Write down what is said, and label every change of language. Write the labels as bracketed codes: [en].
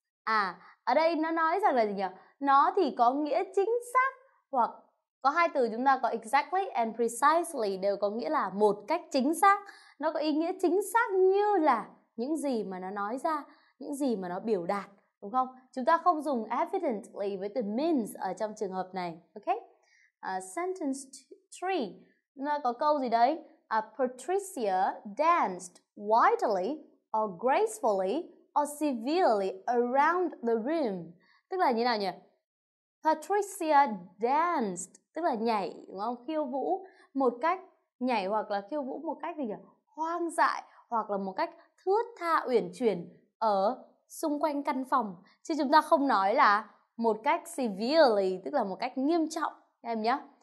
[vi] À, ở đây nó nói rằng là gì nhỉ? Nó thì có nghĩa chính xác, hoặc có hai từ chúng ta có [en] exactly and precisely [vi] đều có nghĩa là một cách chính xác. Nó có ý nghĩa chính xác như là những gì mà nó nói ra, những gì mà nó biểu đạt, đúng không? Chúng ta không dùng evidently với từ means ở trong trường hợp này, ok? [en] Sentence 3, [vi] chúng ta có câu gì đấy? [en] Patricia danced widely or gracefully or severely around the room. [vi] Tức là như nào nhỉ? [en] Patricia danced, [vi] tức là nhảy, đúng không? Khiêu vũ một cách nhảy hoặc là khiêu vũ một cách gì nhỉ? Hoang dại hoặc là một cách thướt tha uyển chuyển ở xung quanh căn phòng. Chứ chúng ta không nói là một cách severely, tức là một cách nghiêm trọng, em nhé.